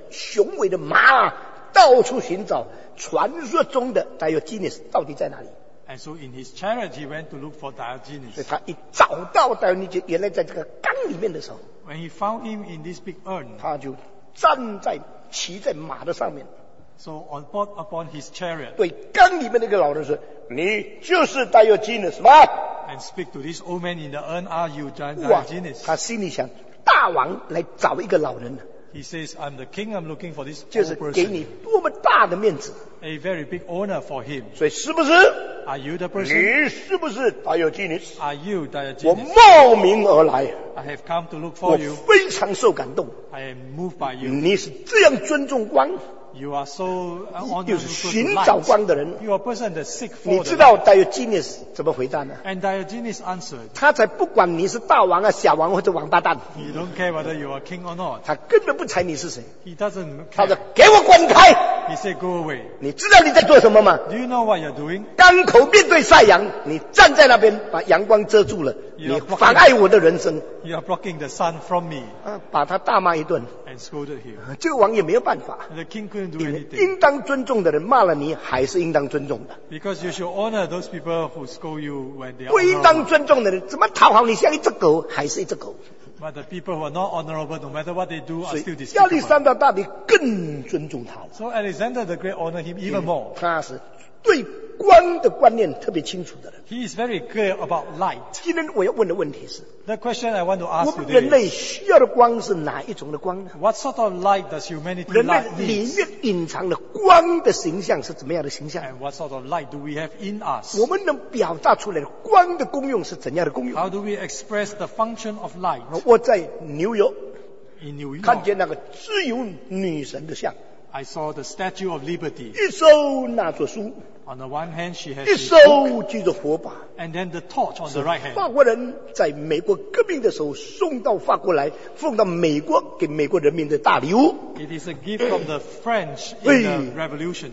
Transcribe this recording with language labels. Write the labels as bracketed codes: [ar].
[zh] 不可一世，就骑着很雄伟的马，到处寻找。传说中的Diogenes到底在哪里？ [en] And so in his chariot he went to look for Diogenes. [zh] 所以他一找到Diogenes原来在这个缸里面的时候， [en] When he found him in this big urn, [zh] 他就站在骑在马的上面。 [en] So on board upon his chariot, [zh] 对缸里面那个老人说， 你就是Diogenes吗？ [en] And speak to this old man in the urn, are you Diogenes? [zh] 他心里想， 大王来找一个老人。 [en] He says, I'm the king, I'm looking for this old person. A very big honor for him. [zh] 所以是不是? [en] Are you the person? [zh] 你是不是?Diogenes? [en] Are you Diogenes? [zh] 我冒名而来。 [en] I have come to look for you. [zh] 我非常受感动。 [en] I am moved by you. [zh] 你是这样尊重光。 [en] You are so honored. [zh] 就是寻找光的人。 [en] You are a person that seek for the light. [zh] 你知道 Diogenes 怎么回答呢? [en] And Diogenes answered. [zh] 他才不管你是大王啊、小王或者王八蛋。 [en] He don't care whether you are king or not. [zh] 他根本不睬你是谁。 [en] He doesn't care. [zh] 他说给我滚开。 [en] He said go away. [zh] 你知道你在做什么吗? [en] Do you know what you're doing? [zh] 缸口面对晒阳，你站在那边把阳光遮住了。你妨碍我的人生。 [en] You are blocking the sun from me. [zh] 把他大骂一顿。 [en] And scolded him. [zh] 这个王也没有办法。 [en] The king couldn't do anything. [zh] 应当尊重的人骂了你还是应当尊重的。 [en] Because you should honor those people who scold you when they are. [zh] 不应当尊重的人怎么讨好你像一只狗还是一只狗。 [en] But the people who are not honorable, no matter what they do, are still despicable. [zh] 亚历山大大帝更尊重他。 [en] So Alexander the Great honored him even more. [zh] 他是对光的观念特别清楚的人。 [en] He is very clear about light. [zh] 今天我要问的问题是， [en] The question I want to ask you today is, [zh] 人类需要的光是哪一种的光呢？ [en] What sort of light does humanity like? [zh] 人类里面隐藏的光的形象是怎么样的形象？ [en] And what sort of light do we have in us? [zh] 我们能表达出来的光的功用是怎样的功用？ [en] How do we express the function of light? [zh] 我在纽约， [en] In New York, [zh] 看见那个自由女神的像。 [en] I saw the Statue of Liberty. [zh] 一手拿着书。 [en] On the one hand, she has [zh] 一手举着火把。 [en] And then the torch on the right hand. [zh] 法国人在美国革命的时候送到法国来，奉到美国给美国人民的大礼物。 [en] It is a gift from the French in the revolution.